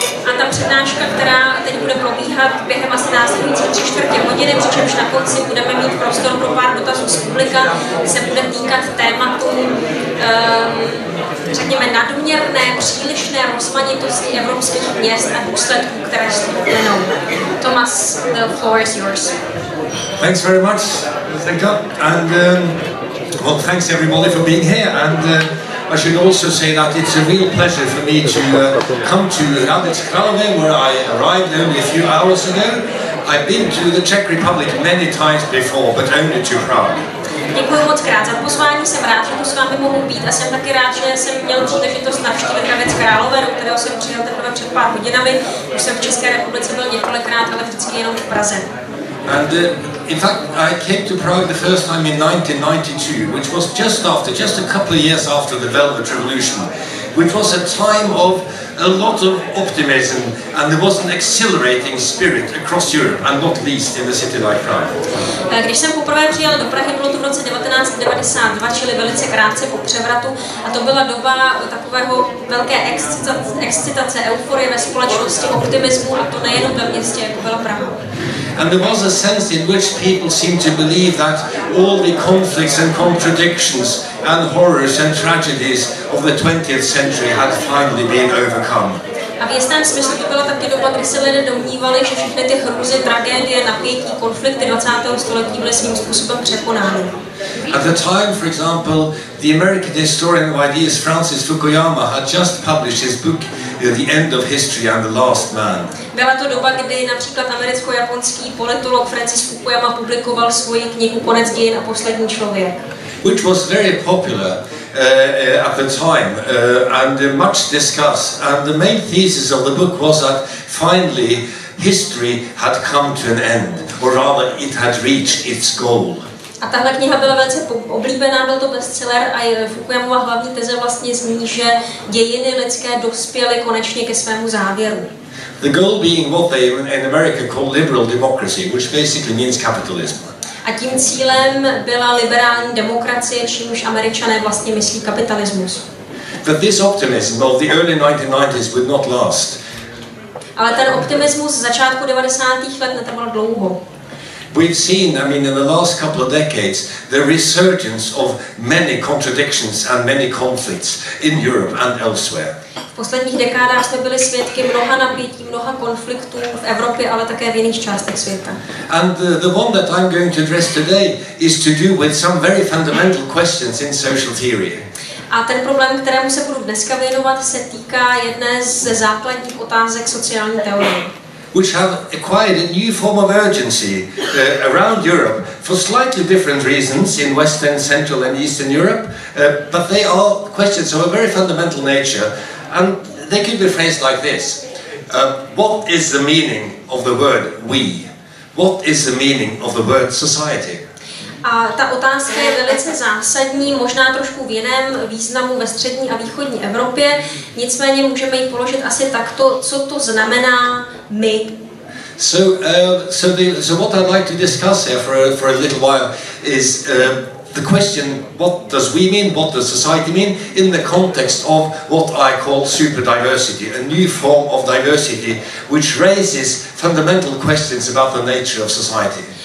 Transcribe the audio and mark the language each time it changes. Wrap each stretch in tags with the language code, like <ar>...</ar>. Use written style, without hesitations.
<cs>A ta přednáška, která teď bude probíhat během asi následujících 3/4 hodiny, přičemž na konci budeme mít prostor pro pár dotazů z publika, se bude týkat tématu řekněme nadměrné, přílišné rozmanitosti evropských měst a důsledků, které s tím plynou.</cs> <en>Tomas, the floor is yours. Thanks very much, Zdenka. And well, thanks everybody for being here. And I should also say that it's a real pleasure for me to come to Hradec-Králové, where I arrived only a few hours ago. I've been to the Czech Republic many times before, but only to Prague.</en> <cs>Děkuji moc krát za pozvání, jsem rád, že tu s vámi mohu být a jsem taky rád, že jsem měl příležitost navštívit Hradec-Králové, do kterého jsem přijel teprve před pár hodinami. Už jsem v České republice byl několikrát, ale vždycky jenom v Praze.</cs> <en>And in fact, I came to Prague the first time in 1992, which was just a couple of years after the Velvet Revolution, which was a time of a lot of optimism, and there was an exhilarating spirit across Europe, and not least in the city like Prague.</en> <cs>Když jsem poprvé přijel do Prahy, bylo to v roce 1992, čili velice krátce po převratu, a to byla doba takového velké excitace, euforie ve společnosti, optimismu, a to nejenom ve městě, jako byla Praha.</cs> <en>And there was a sense in which people seemed to believe that all the conflicts and contradictions and horrors and tragedies of the 20th century had finally been overcome.</en> <cs>A v jistém smyslu to byla taky doba, kdy se lidé domnívali, že všechny ty hrůzy, tragédie, napětí, konflikty 20. století byly svým způsobem překonány.</cs> <en>At the time, for example, the American historian of ideas Francis Fukuyama had just published his book The End of History and the Last Man.</en> <cs>Byla to doba, kdy například americko-japonský politolog Francis Fukuyama publikoval svoji knihu Konec dějin a poslední člověk.</cs> <en>Which was very popular at the time and much discussed. And the main thesis of the book was that finally history had come to an end, or rather it had reached its goal.</en> <cs>A tahle kniha byla velice oblíbená, byl to bestseller a Fukuyamova hlavní teze vlastně zní, že dějiny lidské dospěly konečně ke svému závěru.</cs> <en>The goal being what they in America call liberal democracy, which basically means capitalism.</en> <cs>A tím cílem byla liberální demokracie, čímž Američané vlastně myslí kapitalismus.</cs> <en>But this optimism of the early 1990s would not last.</en> <cs>Ale ten optimismus z začátku 90. let netrval dlouho.</cs> <en>We've seen, I mean, in the last couple of decades, the resurgence of many contradictions and many conflicts in Europe and elsewhere.</en> <cs>V posledních dekádách jsme byli svědky mnoha napětí, mnoha konfliktů v Evropě, ale také v jiných částech světa.</cs> <en>And the one that I'm going to address today is to do with some very fundamental questions in social theory.</en> <cs>A ten problém, kterému se budu dneska věnovat, se týká jedné ze základních otázek sociální teorie,</cs> <en>which have acquired a new form of urgency around Europe for slightly different reasons in Western, Central and Eastern Europe, but they are questions of a very fundamental nature, and they could be phrased like this. What is the meaning of the word we? What is the meaning of the word society?</en> <cs>A ta otázka je velice zásadní, možná trošku v jiném významu ve střední a východní Evropě, nicméně můžeme ji položit asi takto, co to znamená my.</cs> <en>So what I'd like to discuss here for a little while is the question, what does we mean, what does society mean, in the context of what I call super diversity, a new form of diversity which raises fundamental questions about the nature of society.</en>